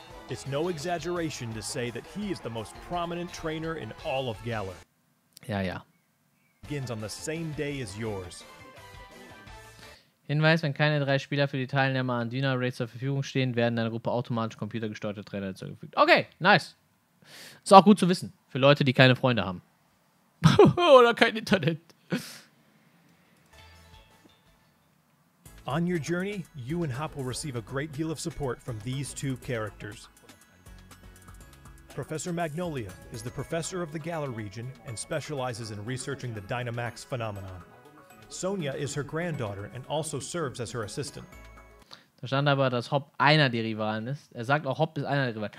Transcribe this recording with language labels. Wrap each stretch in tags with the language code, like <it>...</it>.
<en>It's no exaggeration to say that he is the most prominent trainer in all of Galar.</en> <de>Ja.</de> <en>Begins on the same day as yours.</en> <de>Hinweis, wenn keine 3 Spieler für die Teilnehmer an Dynar Raids zur Verfügung stehen, werden deine Gruppe automatisch computergesteuerte Trainer hinzugefügt. Okay, nice. Ist auch gut zu wissen. Für Leute, die keine Freunde haben. Oder kein Internet.</de> <en>On your journey, you and Hop will receive a great deal of support from these 2 characters. Professor Magnolia is the professor of the Galar region and specializes in researching the Dynamax phenomenon. Sonja is her granddaughter and also serves as her assistant.</en> <de>Da stand aber, dass Hopp einer der Rivalen ist. Er sagt auch, Hopp ist einer der Rivalen.</de>